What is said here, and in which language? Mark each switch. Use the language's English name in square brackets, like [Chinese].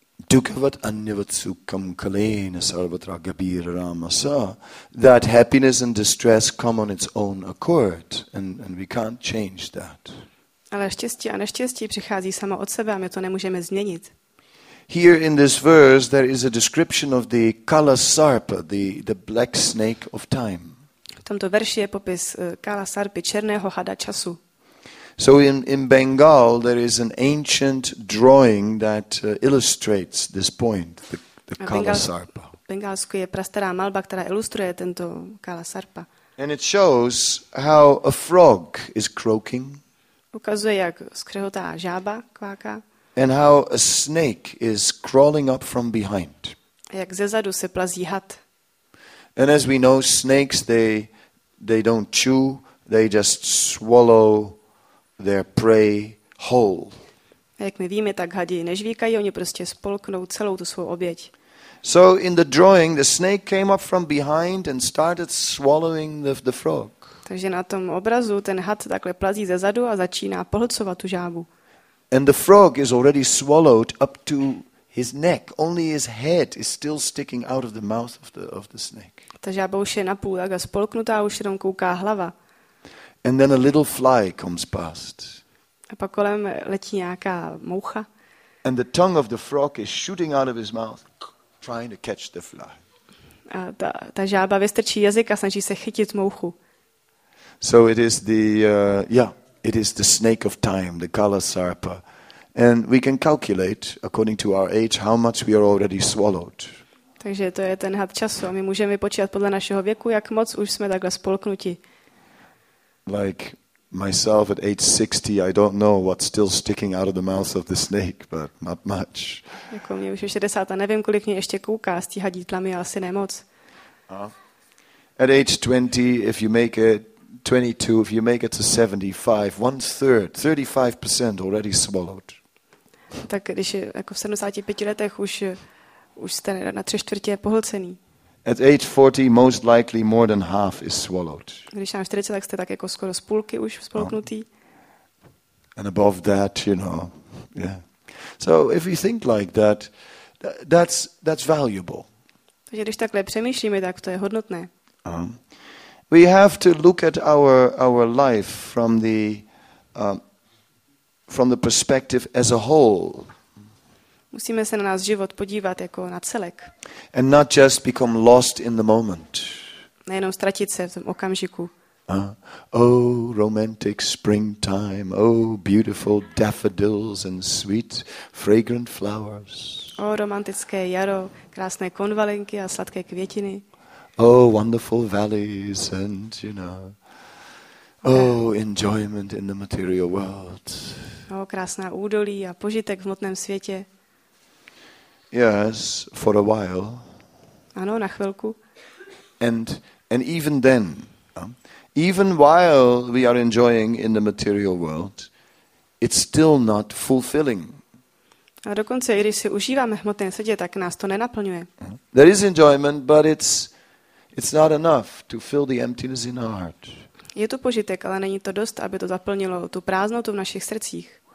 [Sanskrit] Dukavat anivatsukam kalena sarvatra gabira ramasa, [English] that happiness and distress come on its own accord and we can't change that. [Czech] Ale štěstí a neštěstí přichází samo od sebe a my to nemůžeme změnit. [English] Here in this verse there is a description of the kalasarpa, the black snake of time. [Czech] V tomto verši je popis kalasarpy, černého hada času. [English] So in Bengal there is an ancient drawing that illustrates this point, the kalasarpa. [Czech] Bengalsku je prastará malba, která ilustruje tento kalasarpa. [English] And it shows how a frog is croaking. [Czech] Ukazuje, jak skřehotá žába kváká. [English] And how a snake is crawling up from behind. [Czech] Jak zezadu se plazí had. [English] And as we know, snakes they don't chew, they just swallow their prey whole. [Czech] Jak my víme, tak hadi nežvíkají, oni prostě spolknou celou tu svou oběť. [English] So in the drawing the snake came up from behind and started swallowing the frog. [Czech] Takže na tom obrazu ten had takhle plazí zezadu a začíná pohlcovat tu žábu. [English] And the frog is already swallowed up to his neck. Only his head is still sticking out of the mouth of the snake. [Czech] Ta žába už je napůl tak a spolknutá, už jenom kouká hlava. [English] And then a little fly comes past. [Czech] A pak kolem letí nějaká moucha. [English] And the tongue of the frog is shooting out of his mouth, trying to catch the fly. [Czech] A ta žába vystrčí jazyk a snaží se chytit mouchu. [English] So it is the snake of time, the kalasarpa. And we can calculate according to our age how much we are already swallowed. [Czech] Takže to je ten had času a my můžeme počítat podle našeho věku, jak moc už jsme takhle spolknuti. [English] Like myself at age 60, I don't know what's still sticking out of the mouth of the snake, but not much. [Czech] Jako mě už je 60 a nevím, kolik mě ještě kouká z tí hadí tlamy, asi nemoc. [English] At age 20, if you make it 22, if you make it to 75, one third, 35% already swallowed. [Czech] Tak když je jako v 75 letech už jste na tři čtvrtě pohlcený. [English] At age 40, most likely more than half is swallowed. [Czech] Když jsem 40, tak jste tak jako skoro z půlky už spolknutý. [English] And above that, you know, yeah. So if you think like that, that's valuable. [Czech] Takže když takhle přemýšlíme, tak to je hodnotné. [English] We have to look at our life from the perspective as a whole. [Czech] Musíme se na nás život podívat jako na celek. [English] And not just become lost in the moment. [Czech] Nejenom ztratit se v tom okamžiku. [English] Oh, romantic springtime, oh, beautiful daffodils and sweet fragrant flowers. [Czech] Oh, romantické jaro, krásné konvalinky a sladké květiny. [English] Oh, wonderful valleys and, you know, Oh, enjoyment in the material world. [Czech] Oh, krásná údolí a požitek v hmotném světě. [English] Yes, for a while. [Czech] Ano, na chvilku. [English] And even then, even while we are enjoying in the material world, it's still not fulfilling. [Czech] A dokonce i když si užíváme hmotné světě, tak nás to nenaplňuje. [English] There is enjoyment, but it's not enough to fill the emptiness in our heart. [Czech] Je to požitek, ale není to dost, aby to zaplnilo tu prázdnotu v našich srdcích.